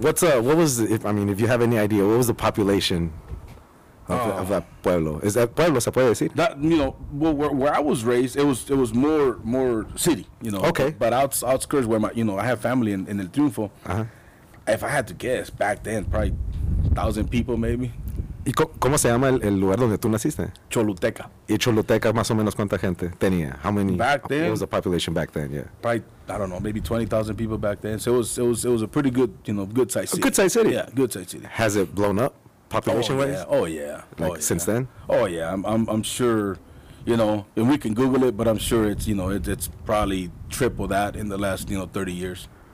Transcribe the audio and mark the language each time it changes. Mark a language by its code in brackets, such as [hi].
[en] If you have any idea, what was the population of that pueblo? Is that pueblo, [es] se puede decir? [en] Where I was raised, it was more city, Okay. But outskirts where I have family in El Triunfo. Uh-huh. If I had to guess, back then, probably 1,000 people maybe. [es] ¿Y cómo se llama el lugar donde tú naciste? Choluteca. ¿Y Choluteca más o menos cuánta gente tenía? [en] How many? Back then. What was the population back then? Yeah. Probably, I don't know, maybe 20,000 people back then. So it was a pretty good, good size city. A good size city. Yeah, good size city. Has it blown up population wise? Since then? Oh yeah, I'm sure, and we can Google it, but I'm sure it's probably triple that in the last 30 years.